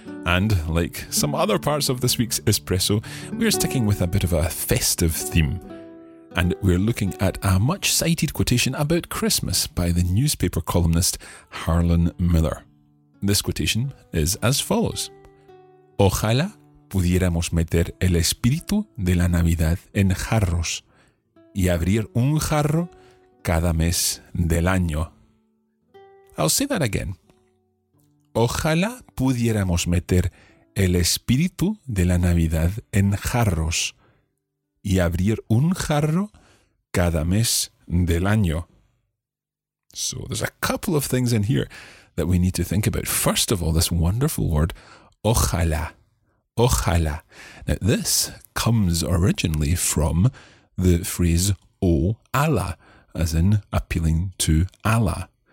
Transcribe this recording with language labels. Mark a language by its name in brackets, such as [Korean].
[English] And like some other parts of this week's espresso, we're sticking with a bit of a festive theme. And we're looking at a much-cited quotation about Christmas by the newspaper columnist Harlan Miller. This quotation is as follows. [Spanish] Ojalá pudiéramos meter el espíritu de la Navidad en jarros y abrir un jarro cada mes del año. [English] I'll say that again. [Spanish] Ojalá pudiéramos meter el espíritu de la Navidad en jarros y abrir un jarro cada mes del año. [English] So there's a couple of things in here that we need to think about. First of all, this wonderful word, ojalá. Ojalá. Now, this comes originally from the phrase O Allah, as in appealing to Allah.